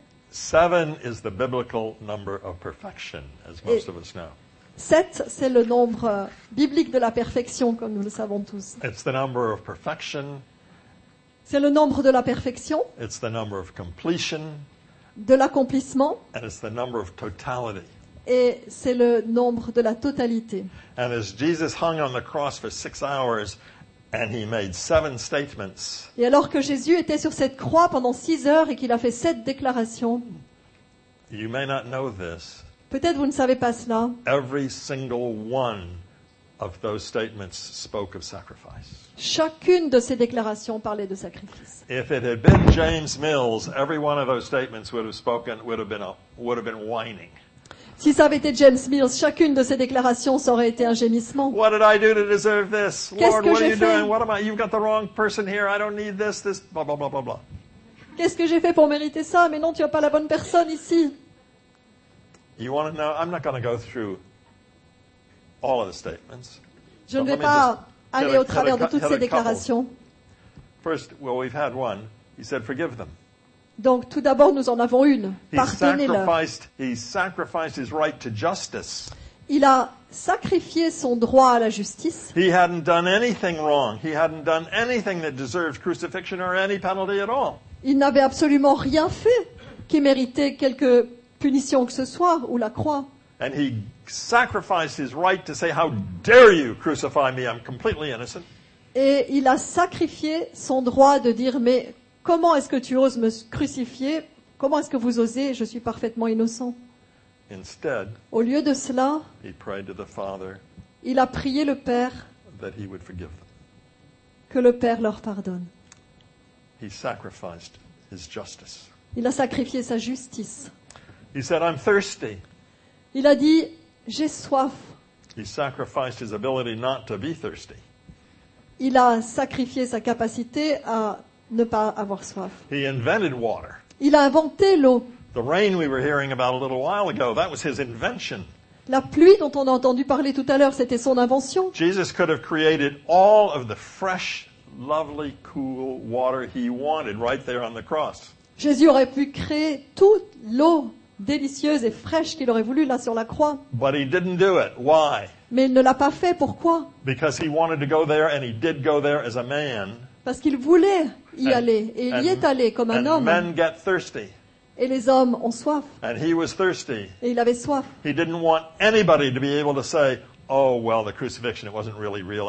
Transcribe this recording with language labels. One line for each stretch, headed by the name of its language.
English: Seven is the biblical number of perfection, as most of us know.
French: Sept, c'est le nombre biblique de la perfection, comme nous le savons tous.
English: It's the number of perfection.
French: C'est le nombre de la perfection.
English: It's the number of completion.
French: De l'accomplissement.
English: And it's the number of totality.
French: Et c'est le nombre de la totalité.
English: And as Jesus hung on the cross for 6 hours and he made 7 statements.
French: Et alors que Jésus était sur cette croix pendant 6 heures et qu'il a fait 7 déclarations.
English: You may not know this.
French: Peut-être vous ne savez pas cela.
English: Every single one of those statements spoke of sacrifice.
French: Chacune de ces déclarations parlait de sacrifice.
English: If it had been James Mills, every one of those statements would have spoken would have been whining.
French: Si ça avait été James Mills, chacune de ces déclarations ça aurait été un gémissement.
English: What did I do to deserve this?
French: Qu'est-ce
English: Lord, what
French: j'ai
English: are you
French: fait?
English: Doing? What am I? You've got the wrong person here. I don't need this blah blah blah blah blah.
French: Qu'est-ce que j'ai fait pour mériter ça? Mais non, tu as pas la bonne personne ici.
English: You want to know? I'm not going to go through all of the statements.
French: Je ne vais pas aller au travers de toutes ces déclarations.
English: First, well, we've had one. He said, forgive them.
French: Donc, tout d'abord, nous en avons une. Pardonnez-leur.
English: He sacrificed his right to justice.
French: Il a sacrifié son droit à la justice.
English: He hadn't done anything wrong. He hadn't done anything that deserved crucifixion or any penalty at all.
French: Il n'avait absolument rien fait qui méritait quelque punition que ce soit ou la croix.
English: And he sacrificed his right to say, "How dare you crucify me? I'm completely innocent."
French: Et il a sacrifié son droit de dire, "Mais comment est-ce que tu oses me crucifier? Comment est-ce que vous osez? Je suis parfaitement innocent."
English: Instead,
French: au lieu de cela,
English: he prayed to the Father,
French: il a prié le Père
English: that he would forgive them.
French: Que le Père leur pardonne.
English: He sacrificed his justice.
French: Il a sacrifié sa justice.
English: He said, I'm thirsty.
French: Il a dit, j'ai soif.
English: He sacrificed his ability not to be thirsty.
French: Il a sacrifié sa capacité à ne pas avoir soif.
English: He invented water.
French: Il a inventé l'eau.
English: The rain we were hearing about a little while ago, that was his invention.
French: La pluie dont on a entendu parler tout à l'heure, c'était son invention.
English: Jesus could have created all of the fresh, lovely, cool water he wanted right there on the cross.
French: Jésus aurait pu créer toute l'eau délicieuse et fraîche qu'il aurait voulu là sur la croix.
English: But he didn't do it. Why?
French: Mais il ne l'a pas fait. Pourquoi?
English: Because he wanted to go there and he did go there as a man.
French: Parce qu'il voulait y aller et il y est allé comme un homme.
English: Men get thirsty.
French: Et les hommes ont soif.
English: And he was thirsty.
French: Et il avait soif.
English: He didn't want anybody to be able to say, oh, well, the crucifixion, it wasn't really real.